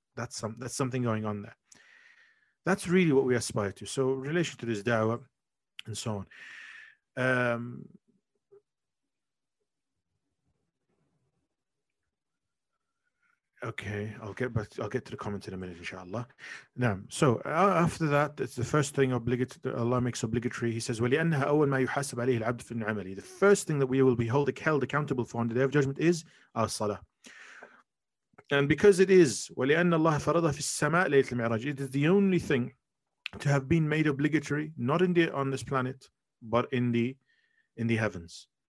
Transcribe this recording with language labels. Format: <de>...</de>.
<en>That's something going on there. That's really what we aspire to. So in relation to this da'wah and so on. Okay, I'll get to the comments in a minute, inshallah. Now, so after that, it's the first thing Allah makes obligatory. He says,</en> <ar>وَلِأَنَّهَا أَوَّلْ مَا يُحَاسَبْ عَلَيْهِ الْعَبْدُ فِي الْعَمَلِ.</ar> <en>The first thing that we will be held accountable for on the day of judgment is our salah. And because it is,</en> <ar>وَلِأَنَّ اللَّهَ فَرَضَ فِي السَّمَاءِ لَيْلَةِ الْمِعْرَاجِ,</ar> <en>it is the only thing to have been made obligatory, not in the on this planet, but in the heavens.</en>